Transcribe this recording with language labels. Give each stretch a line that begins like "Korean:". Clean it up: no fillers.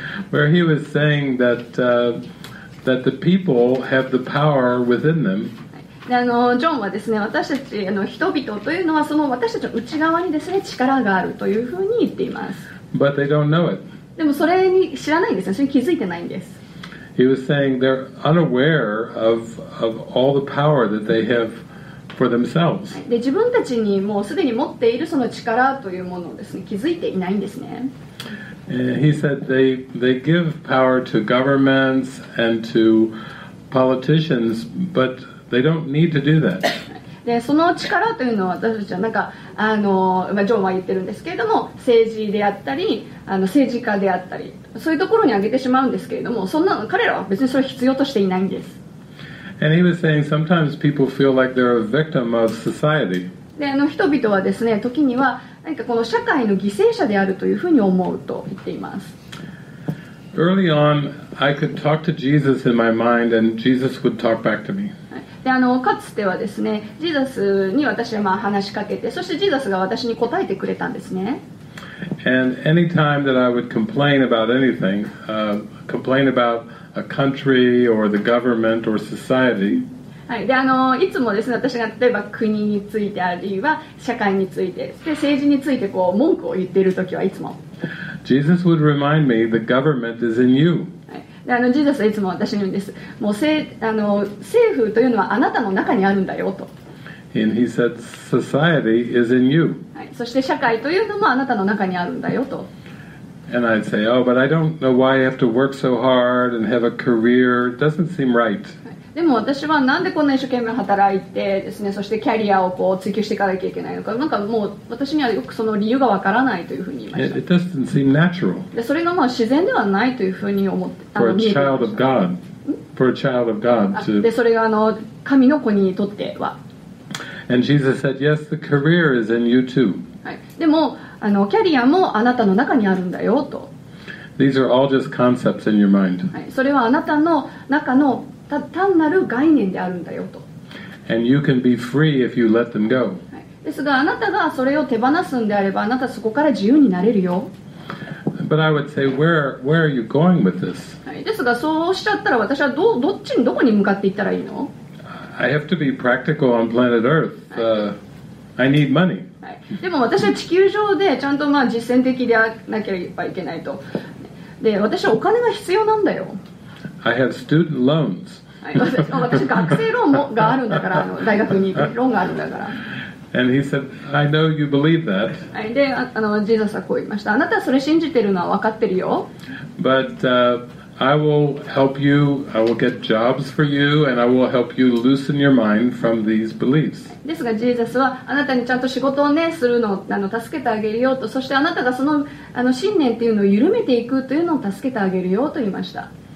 English: Where he was saying that the people have the power within them.
Japanese: で、ジョンはですね、私たち人々というのはその私たちの内側にですね、力があるというふうに言っています。
English: But they don't know it.
Japanese: でもそれに知らないんですよ。それに気づいてないんです。
English: He was saying they're unaware of all the power that they have for themselves.
Japanese: で、自分たちにもうすでに持っているその力というものをですね、気づいていないんですね。
English: He said they give power to governments and to politicians, but they don't need to do that.
Japanese: で、その力というのは私たちはなんか、まあ、ジョンは言ってるんですけれども、政治であったり、政治家であったり、そういうところに挙げてしまうんですけれども、そんなの彼らは別にそれを必要としていないんです。
English: And he was saying sometimes people feel like they're a victim of society.
Japanese: で、人々はですね、時には何かこの社会の犠牲者であるというふうに思うと言っています。
English: Early on, I could talk to Jesus in my mind, and Jesus would talk back to me.
Japanese: で、かつてはですね、ジーザスに私はまあ話しかけて、そしてジーザスが私に答えてくれたんですね。
English: And any time that I would complain about anything, complain about a country or the government or society.
Japanese: はい、で、いつもですね、私が例えば国についてあるいは社会について、で政治についてこう文句を言っているときはいつも。
English: Jesus would remind me, the government is in you.
Japanese: で、ジーザスはいつも私に言うんです。もう政府というのはあなたの中にあるんだよと。
English: And he said, society is in you.
Japanese: はい、そして社会というのもあなたの中にあるんだよと。
English: And I'd say, oh, but I don't know why I have to work so hard and have a career. It doesn't seem right.
Japanese: でも私はなんでこんな一生懸命働いてですね、そしてキャリアをこう追求していかなきゃいけないのか、なんかもう私にはよくその理由がわからないというふうに言いました。
English: It doesn't seem natural.
Japanese: で、それがまあ自然ではないというふうに思って、
English: For a child of God. For a child of God to...
Japanese: で、それが神の子にとっては。
English: And Jesus said, yes, the career is in you too.
Japanese: はい。でも、キャリアもあなたの中にあるんだよと。
English: These are all just concepts in your mind.
Japanese: はい。それはあなたの中の単なる概念であるんだよと。
English: And you can be free if you let them go.
Japanese: ですが、あなたがそれを手放すんであれば、あなたはそこから自由になれるよ。
English: But I would say, where are you going with this?
Japanese: ですが、そうしちゃったら私はどっちにどこに向かっていったらいいの?
English: I have to be practical on planet Earth. I need money.
Japanese: でも私は地球上でちゃんとまあ実践的でなければいけないと。で、私はお金が必要なんだよ。
English: I have student loans.
Japanese: 私学生ローンもがあるんだから、大学に行くローンがあるんだから。
English: And he said, I know you believe that.
Japanese: で、ジーザスはこう言いました。あなたはそれ信じてるのは分かってるよ。
English: But I will help you. I will get jobs for you, and I will help you loosen your mind from these beliefs.
Japanese: ですが、ジーザスはあなたにちゃんと仕事をねするのを助けてあげるよと、そしてあなたがその信念っていうのを緩めていくというのを助けてあげるよと言いました。